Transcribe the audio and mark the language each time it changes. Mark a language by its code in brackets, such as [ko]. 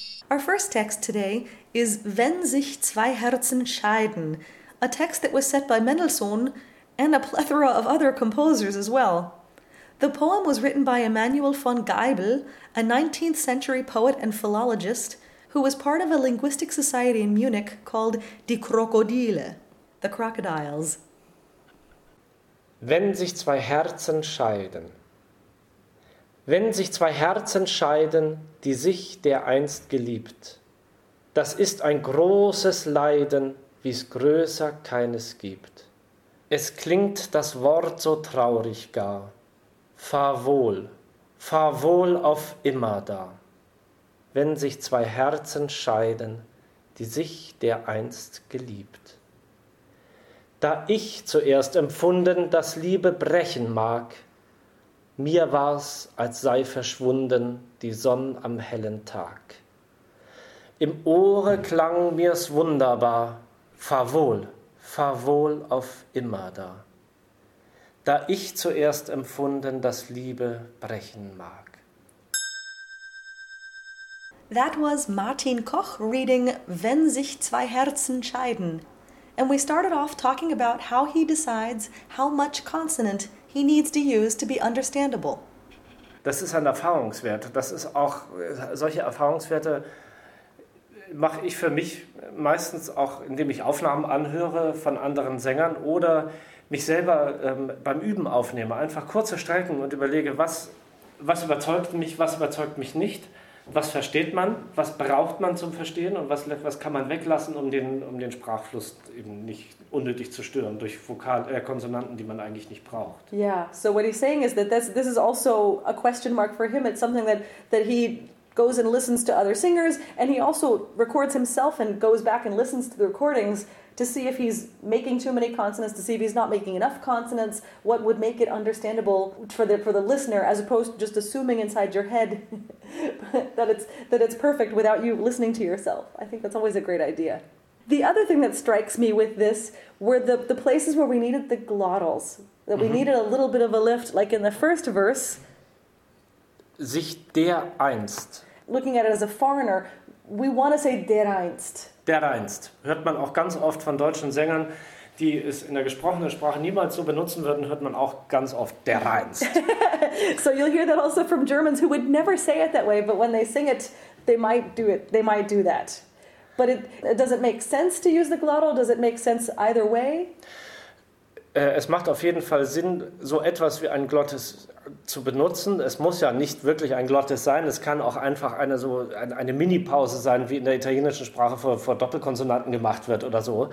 [en] Our first text today is Wenn sich zwei Herzen scheiden, a text that was set by Mendelssohn and a plethora of other composers as well. The poem was written by Emanuel von Geibel, a 19th century poet and philologist who was part of a linguistic society in Munich called Die Krokodile, the crocodiles. [de] Wenn sich zwei Herzen scheiden. Wenn sich zwei Herzen scheiden, die sich dereinst geliebt, das ist ein großes Leiden, wie's größer keines gibt. Es klingt das Wort so traurig gar, fahr wohl auf immer da. Wenn sich zwei Herzen scheiden, die sich dereinst geliebt. Da ich zuerst empfunden, dass Liebe brechen mag, mir war's, als sei verschwunden die Sonn am hellen Tag. Im Ohre klang mir's wunderbar, fahr wohl auf immer da. Da ich zuerst empfunden, dass Liebe brechen mag. [en] That was Martin Koch reading Wenn sich zwei Herzen scheiden. And we started off talking about how he decides how much consonant he needs to use to be understandable. [de] Das ist ein Erfahrungswert. Das ist auch, solche Erfahrungswerte mache ich für mich meistens auch, indem ich Aufnahmen anhöre von anderen Sängern oder mich selber beim Üben aufnehme. Einfach kurze Strecken und überlege, was überzeugt mich, was überzeugt mich nicht. Was versteht man, was braucht man zum Verstehen und was kann man weglassen, um den Sprachfluss eben nicht unnötig zu stören durch Konsonanten, die man eigentlich nicht braucht. [en] Yeah, so what he's saying is that this is also a question mark for him. It's something that he goes and listens to other singers, and he also records himself and goes back and listens to the recordings to see if he's making too many consonants, to see if he's not making enough consonants, what would make it understandable for the listener, as opposed to just assuming inside your head that it's perfect without you listening to yourself. I think that's always a great idea. The other thing that strikes me with this were the places where we needed the glottals, that we needed a little bit of a lift, like in the first verse. [de] Sich dereinst. [en] Looking at it as a foreigner, we want to say dereinst. [de] Dereinst. Hört man auch ganz oft von deutschen Sängern, die es in der gesprochenen Sprache niemals so benutzen würden, hört man auch ganz oft dereinst. [en] So you'll hear that also from Germans who would never say it that way, but when they sing it, they might do it, they might do that. But does it make sense to use the glottal? Does it make sense either way? [de] Es macht auf jeden Fall Sinn, so etwas wie ein Glottis zu benutzen. Es muss ja nicht wirklich ein Glottis sein. Es kann auch einfach eine Mini-Pause sein, wie in der italienischen Sprache vor Doppelkonsonanten gemacht wird oder so.